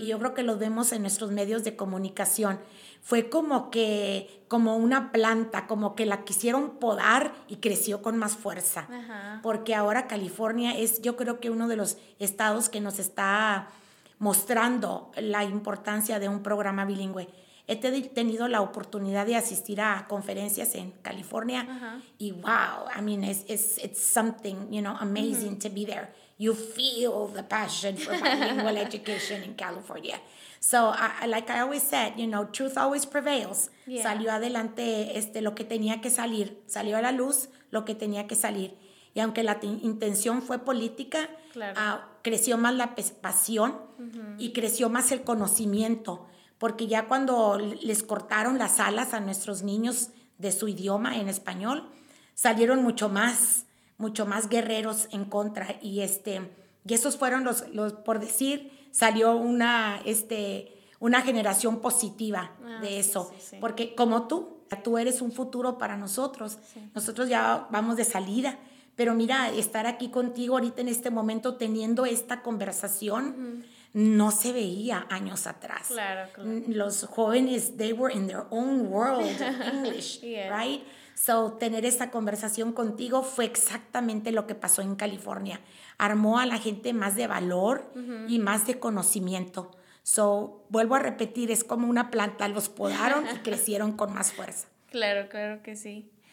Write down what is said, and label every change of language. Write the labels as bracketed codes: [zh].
[es] Y yo creo que lo vemos en nuestros medios de comunicación. Fue como que, como una planta, como que la quisieron podar y creció con más fuerza. Ajá. Porque ahora California es, yo creo que uno de los estados que nos está mostrando la importancia de un programa bilingüe. He tenido la oportunidad de asistir a conferencias en California. Ajá. [en] Y wow, I mean, it's something, you know, amazing, uh-huh, to be there. You feel the passion for bilingual education in California. So, like I always said, you know, truth always prevails. Yeah. [es] Salió adelante lo que tenía que salir. Salió a la luz lo que tenía que salir. Y aunque la intención fue política, claro, creció más la pasión, uh-huh, y creció más el conocimiento. Porque ya cuando les cortaron las alas a nuestros niños de su idioma en español, salieron mucho más guerreros en contra. Y esos fueron los, por decir, salió una generación positiva de eso. Sí, sí, sí. Porque como tú eres un futuro para nosotros. Sí. Nosotros ya vamos de salida. Pero mira, estar aquí contigo ahorita en este momento teniendo esta conversación, uh-huh, no se veía años atrás. Claro, claro. Los jóvenes, [en] they were in their own world of English, yeah, right? [es] So, tener esta conversación contigo fue exactamente lo que pasó en California. Armó a la gente más de valor, uh-huh, y más de conocimiento. So, vuelvo a repetir, es como una planta, los podaron y crecieron con más fuerza. Claro, claro que sí.